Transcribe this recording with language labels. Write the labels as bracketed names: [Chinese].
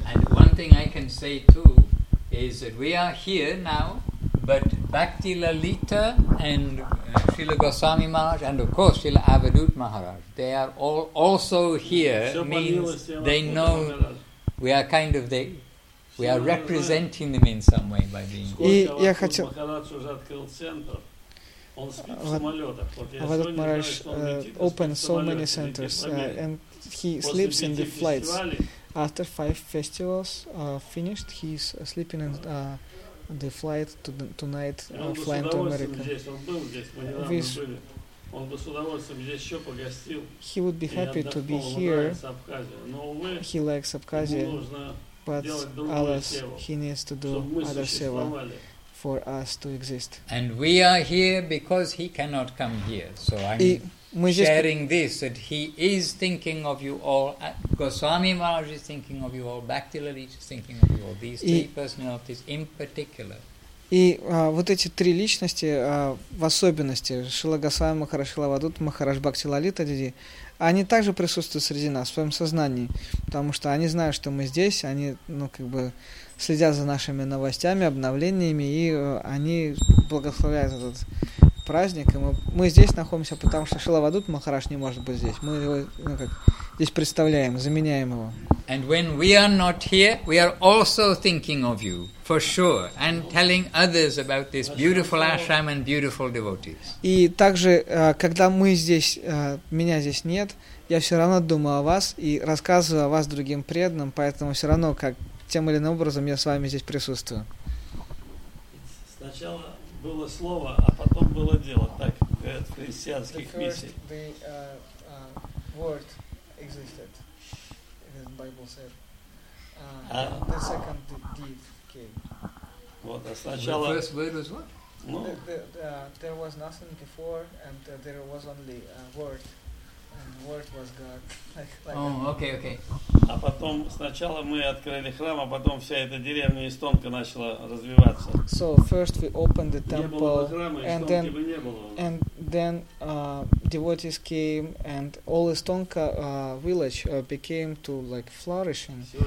[English] And one thing I can say too is that we are here now, but Bhakti Lalita and Srila Goswami Maharaj and of course Srila Avadhut Maharaj, they are all also here, means they know we are kind of there. We are representing them in some way by being. [Russian] И я хотел. Махарадж уже открыл центр. Он спит в самолетах. Вот этот [English] Махарадж opened so many centers and he sleeps in the flights. After five festivals finished, he's sleeping in the flight tonight, flying to America. [Russian] Он бы с удовольствием здесь еще погостил. [English] He would be happy to be here. He likes [Russian] Абхазию. [English] But alas, he needs to do other seva for us to exist. And we are here because he cannot come here. So I'm [Russian] мы здесь [English] sharing this, that he is thinking of you all, Goswami Maharaj is thinking of you all, Bhakti Lalit is thinking of you all, these three personalities in particular. [Russian] И вот эти три личности, в особенности, Шрила Госвами Махарадж, Шрила Авадут Махарадж, Бхакти Лалита Диди, они также присутствуют среди нас в своем сознании, потому что они знают, что мы здесь, они, ну, как бы, следят за нашими новостями, обновлениями, и они благословляют этот праздник. И мы здесь находимся, потому что Шрила Авадут Махарадж не может быть здесь. Мы его, ну, как, здесь представляем, заменяем его. [English] And when we are not here, we are also thinking of you, for sure, and telling others about this beautiful ashram and beautiful devotees. [Russian] И также, когда мы здесь, меня здесь нет, я все равно думаю о вас и рассказываю о вас другим преданным, поэтому все равно, как тем или иным образом, я с вами здесь присутствую. Сначала было слово, а потом было дело, так, от христианских миссий. [English] The word existed. The second deed came. [Russian] Вот, а сначала... [English] The first word was what? No. There was nothing before, and there was only a word, and word was God. Okay. [Russian] А потом сначала мы открыли храм, а потом вся эта деревня Истонка начала развиваться. [English] So first we opened the temple, [Russian] не было бы храма, [English] and [Russian] Истонки [English] then, [Russian] бы не было. [English] And then devotees came, and all Istonka village became to like flourishing.